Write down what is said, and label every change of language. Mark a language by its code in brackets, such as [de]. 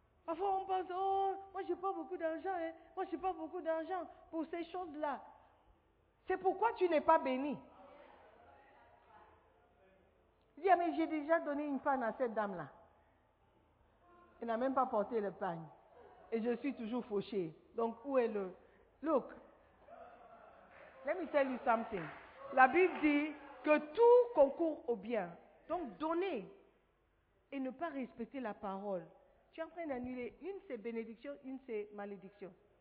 [fr] Parfois on pense, oh, moi j'ai pas beaucoup d'argent, hein. Moi j'ai pas beaucoup d'argent pour ces choses-là. C'est pourquoi tu n'es pas béni. Je dis, ah, mais j'ai déjà donné une panne à cette dame-là. Elle n'a même pas porté le panne. Et je suis toujours fauchée. Donc où est le... [en] Look, let me tell you something. [fr] La Bible dit que tout concourt au bien. Donc donner et ne pas respecter la parole. Tu es en train d'annuler une, c'est bénédiction, une, c'est malédiction.